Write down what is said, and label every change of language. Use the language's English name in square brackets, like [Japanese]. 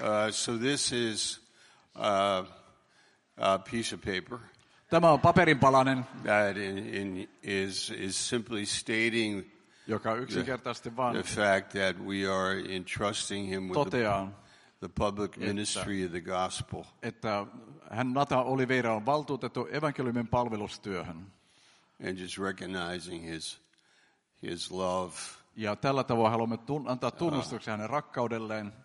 [English] So this is a piece of paper. [Finnish] Tämä on paperin palanen. [English] That is simply stating [Finnish] joka yksinkertaisesti vaan [English] the fact that we are entrusting him with the public ministry of the gospel. [Finnish] Että hän Nathan Oliveira on valtuutettu evankeliumin palvelustyöhön. [English] And just recognizing his love. [Finnish] Ja tällä tavoin haluamme antaa tunnustuksen hänen rakkaudelleen.